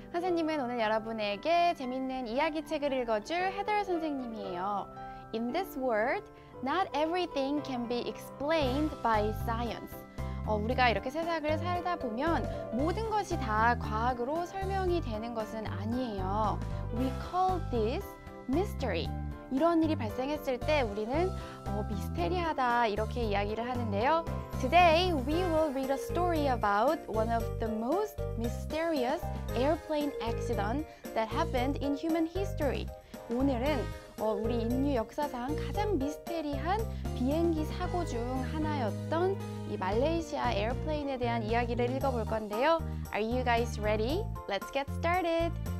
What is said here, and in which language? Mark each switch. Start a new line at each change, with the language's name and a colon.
Korean: 선생님은 오늘 여러분에게 재밌는 이야기책을 읽어줄 Heather 선생님이에요.
English: In this world, not everything can be explained by science.
Korean: 우리가 이렇게 세상을 살다 보면 모든 것이 다 과학으로 설명이 되는 것은 아니에요.
English: We call this mystery.
Korean: 이런 일이 발생했을 때 우리는 미스테리하다 이렇게 이야기를 하는데요.
English: Today we will read a story about one of the most mysterious airplane accident that happened in human history.
Korean: 오늘은 우리 인류 역사상 가장 미스테리한 비행기 사고 중 하나였던 이 말레이시아 에어플레인에 대한 이야기를 읽어볼 건데요.
English: Are you guys ready? Let's get started!